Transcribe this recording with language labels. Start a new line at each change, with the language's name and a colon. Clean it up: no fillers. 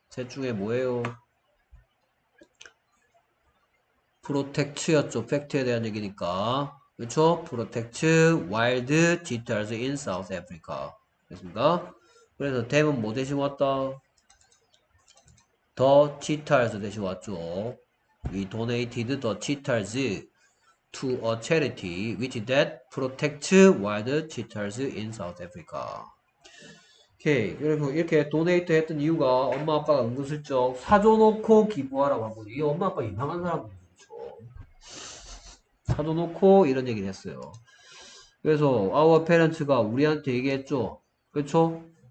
Korean: 셋 중에 뭐예요? 프로텍츠였죠. 팩트에 대한 얘기니까. 그렇죠?
English: 프로텍츠 와일드 cheetahs in South Africa. 됐습니까?
Korean: 그래서 댐은 뭐 대신 왔다? 더 cheetahs 대신 왔죠.
English: We donated the cheetahs to a charity which that protects wild cheetahs in South Africa.
Korean: 오케이. 여러분 이렇게 도네이트 했던 이유가 엄마 아빠가 은근슬쩍 사줘놓고 기부하라고 하고 이 엄마 아빠 이상한 사람이죠. 사줘놓고 이런 얘기를 했어요. 그래서 our parents가 우리한테 얘기했죠. 그렇죠?